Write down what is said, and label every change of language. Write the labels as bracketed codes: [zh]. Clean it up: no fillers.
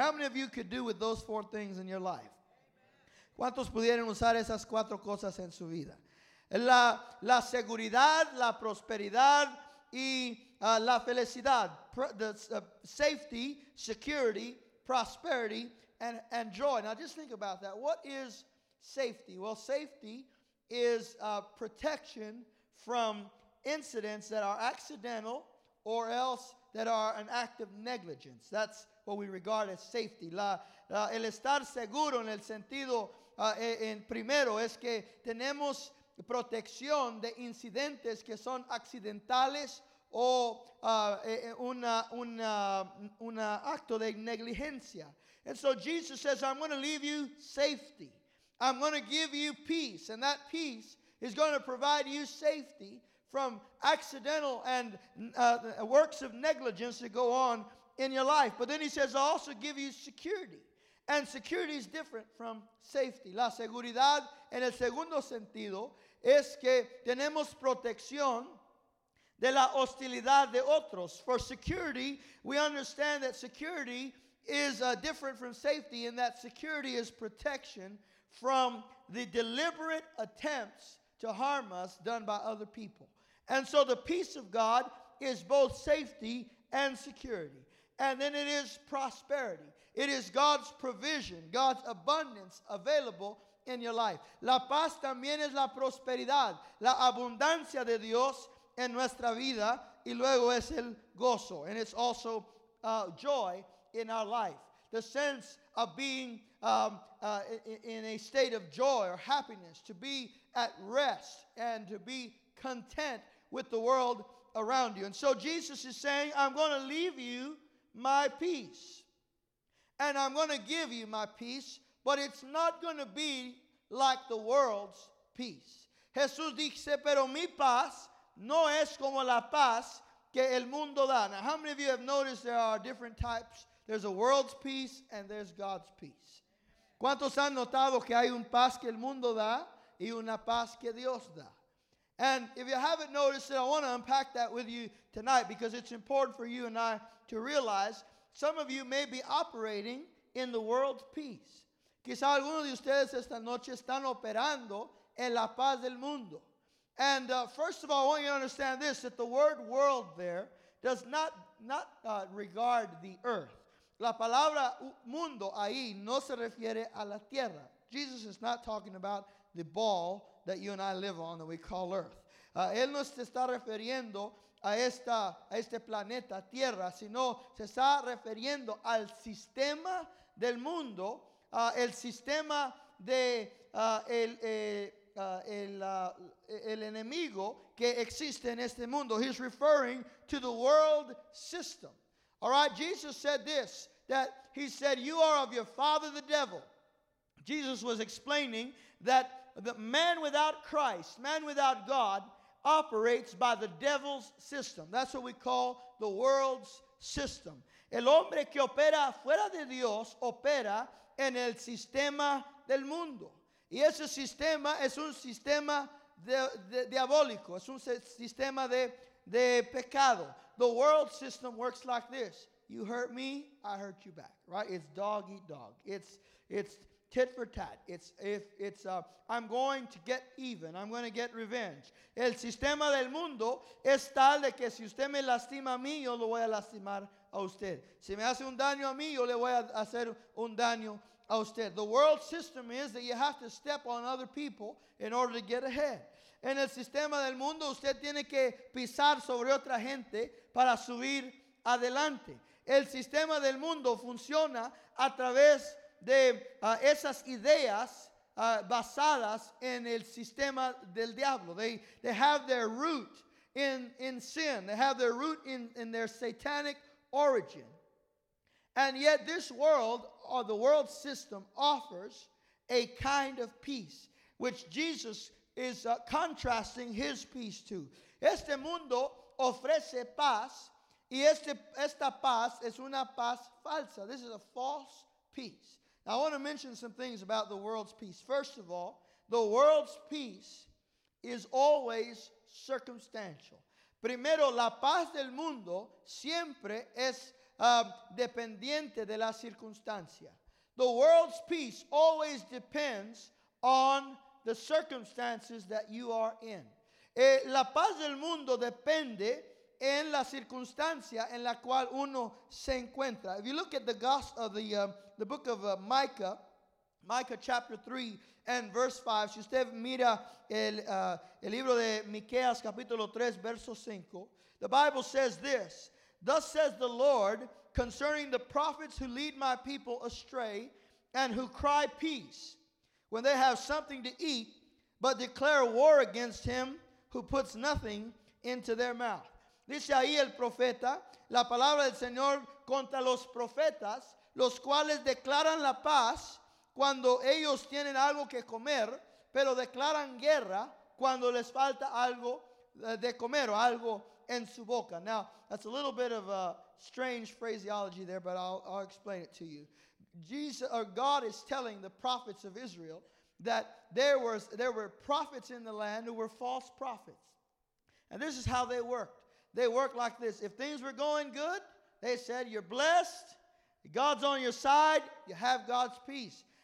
[en] How many of you could do with those four things in your life? Amen. [es] ¿Cuántos pudieran usar esas cuatro cosas en su vida? La seguridad, la prosperidad, y la felicidad, [en] safety, security, prosperity, and joy. Now just think about that. What is safety? Well, safety is protection from incidents that are accidental or else that are an act of negligence. That's what we regard as safety. [es] El estar seguro en el sentido, en primero, es que tenemos protección de incidentes que son accidentales o una acto de negligencia. [en] And so Jesus says, I'm going to leave you safety. I'm going to give you peace. And that peace is going to provide you safety from accidental and works of negligence that go on in your life. But then he says, I'll also give you security. And security is different from safety. [es] La seguridad en el segundo sentido es que tenemos protección de la hostilidad de otros. [en] For security, we understand that security is different from safety, in that security is protection from the deliberate attempts to harm us done by other people. And so the peace of God is both safety and security. And then it is prosperity. It is God's provision, God's abundance available in your life. [es] La paz también es la prosperidad, la abundancia de Dios en nuestra vida, y luego es el gozo. [en] And it's also joy in our life. The sense of being in a state of joy or happiness, to be at rest and to be content with the world around you. And so Jesus is saying, I'm going to leave you my peace. And I'm going to give you my peace, but it's not going to be like the world's peace. [es] Jesús dice, pero mi paz no es como la paz que el mundo da. [en] Now, how many of you have noticed there are different types? There's a world's peace and there's God's peace. [es] ¿Cuántos han notado que hay un paz que el mundo da y una paz que Dios da? [en] And if you haven't noticed it, I want to unpack that with you tonight because it's important for you and I to realize some of you may be operating in the world's peace. [es] Quizá algunos de ustedes esta noche están operando en la paz del mundo. [en] And first of all, I want you to understand this, that the word world there does not regard the earth. [es] La palabra mundo ahí no se refiere a la tierra. [en] Jesus is not talking about the ball that you and I live on that we call earth. [es] Él no se está refiriendo a este planeta tierra, sino se está refiriendo al sistema del mundo, el sistema de el enemigo que existe en este mundo. [en] He's referring to the world system. All right, Jesus said this, that he said, you are of your father the devil. Jesus was explaining that the man without Christ, man without God, operates by the devil's system. That's what we call the world's system. [es] El hombre que opera fuera de Dios opera en el sistema del mundo. Y ese sistema es un sistema diabólico, es un sistema de pecado. [en] The world system works like this. You hurt me, I hurt you back, right? It's dog eat dog. It's tit for tat. I'm going to get even. I'm going to get revenge. [es] El sistema del mundo es tal de que si usted me lastima a mí, yo lo voy a lastimar a usted. Si me hace un daño a mí, yo le voy a hacer un daño a usted. [en] The world system is that you have to step on other people in order to get ahead. [es] En el sistema del mundo, usted tiene que pisar sobre otra gente para subir adelante. El sistema del mundo funciona a través de esas ideas basadas en el sistema del diablo. [en] They have their root in sin. They have their root in their satanic origin. And yet this world, or the world system, offers a kind of peace, which Jesus is contrasting his peace to. [es] Este mundo ofrece paz, y esta paz es una paz falsa. [en] This is a false peace. I want to mention some things about the world's peace. First of all, the world's peace is always circumstantial. [es] Primero, la paz del mundo siempre es dependiente de la circunstancia. [en] The world's peace always depends on the circumstances that you are in. [es] La paz del mundo depende en la circunstancia en la cual uno se encuentra. [en] If you look at the gospel of the book of Micah chapter 3 and verse 5, [es] si usted mira el libro de Miqueas capítulo 3 verso 5, [en] the Bible says this: thus says the Lord concerning the prophets who lead my people astray and who cry peace when they have something to eat but declare war against him who puts nothing into their mouth. [es] Dice ahí el profeta, la palabra del Señor contra los profetas, los cuales declaran la paz cuando ellos tienen algo que comer, pero declaran guerra cuando les falta algo de comer o algo en su boca. [en] Now, that's a little bit of a strange phraseology there, but I'll explain it to you. Jesus, or God, is telling the prophets of Israel that there were prophets in the land who were false prophets. And this is how they worked. They work like this. If things were going good, they said, you're blessed, God's on your side, you have God's peace.